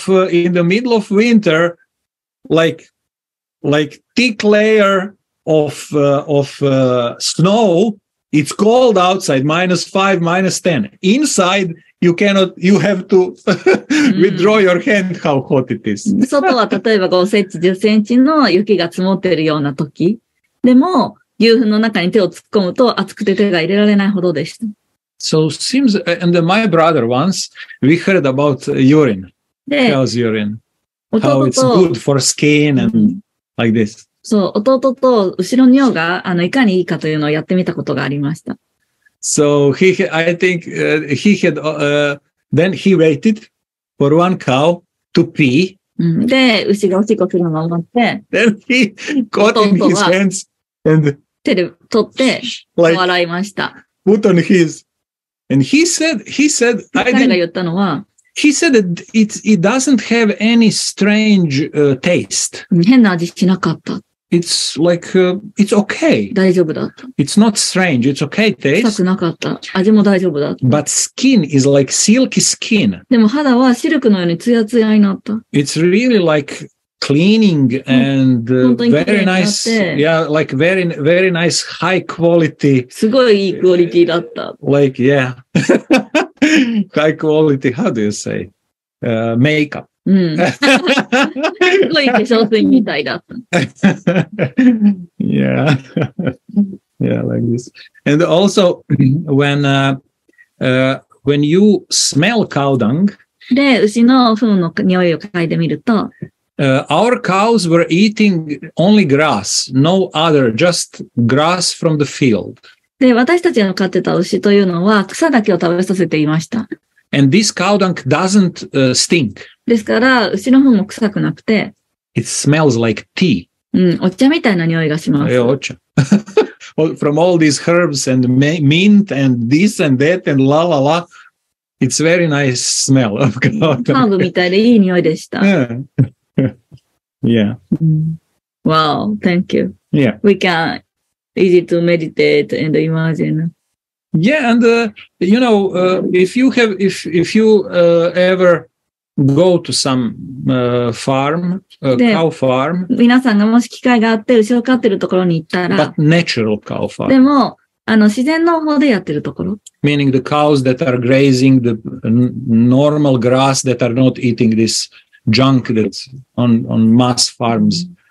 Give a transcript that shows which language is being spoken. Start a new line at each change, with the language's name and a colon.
English: In the middle of winter, like thick layer of snow, it's cold outside, -5, -10. Inside,You have to withdraw your hand, how hot it is.
Japanese: 外は例えば5センチ、10センチの雪が積もっているような時。でも、牛糞の中に手を突っ込むと熱くて手が入れられないほどでした。
English: So seems, and my brother once, we heard about urine. Cow's urine. How it's good for skin and like this.
Japanese: そう、弟と後ろ尿がいかにいいかというのをやってみたことがありました。
English: So he had, I think, uh, he had, uh, Then he waited for one cow to pee.
Japanese: で、牛がおしっこするのを待って。
English: Then he got in his hands and
Japanese: 手で取って笑いました。
English: Like, put on his and he said I didn't,
Japanese: 彼が言ったのは
English: He said that it doesn't have any strange taste.
Japanese: 変な味しなかった。
English: It's like, it's okay.
Japanese: 大丈夫だった。
English: It's not strange, it's okay taste.
Japanese: 臭くなかった。味も大丈夫だった。
English: But skin is like silky skin.
Japanese: でも肌はシルクのようにツヤツヤになった。
English: It's really like cleaning and very nice, yeah, like very, very nice high quality.
Japanese: すごいいいクオリティだった。
English: Like, yeah. High quality, how do you say? Makeup.
Japanese: すごい化粧水みたいだった。
English: Yeah. Yeah, like this. And also, when you smell cow dung,
Japanese: で、牛の糞の匂いを嗅いでみると、
English: Our cows were eating only grass, no other, just grass from the field.
Japanese: で、私たちの飼ってた牛というのは草だけを食べさせていました。
English: And this cow dung doesn't stink.
Japanese: ですから牛の糞も臭くなくて。
English: It smells like tea.
Japanese: お茶みたいな匂いがします。お茶。
English: From all these herbs and mint and this and that and la la la. It's very nice smell of cow dung.
Japanese: ハーブみたいでいい匂いでした。
English: Yeah. Wow, thank you. Yeah. We can easy to meditate and imagine. Yeah, and, you know, if you ever go to some, farm, cow farm.
Japanese: 皆さんがもし機会があって牛を飼ってるところに行ったら。
English: But natural cow farm.
Japanese: でも、あの、自然農法でやってるところ。
English: Meaning the cows that are grazing the normal grass that are not eating this junk that's on mass farms.